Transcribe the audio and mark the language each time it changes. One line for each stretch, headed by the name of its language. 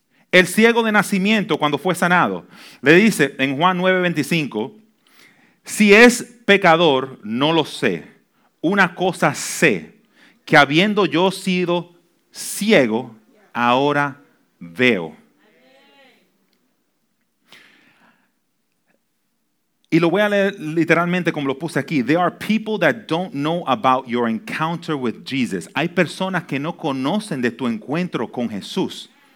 Spanish: El ciego de nacimiento, cuando fue sanado, le dice en Juan 9:25, si es pecador, no lo sé. Una cosa sé, que habiendo yo sido ciego, ahora veo. Y lo voy a leer literalmente como lo puse aquí.
English: There are people that don't know about your encounter with Jesus.
Spanish: Hay personas que no conocen de tu encuentro con Jesús.